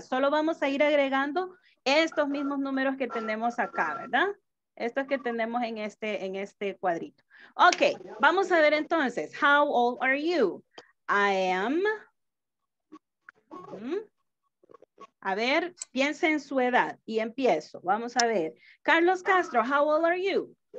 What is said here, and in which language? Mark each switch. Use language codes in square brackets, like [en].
[es] Solo vamos a ir agregando estos mismos números que tenemos acá, ¿verdad? Estos que tenemos en este cuadrito. Ok, vamos a ver entonces, [en] how old are you? I am, [es] a ver, piensa en su edad y empiezo. Vamos a ver, Carlos Castro, [en] how old are you?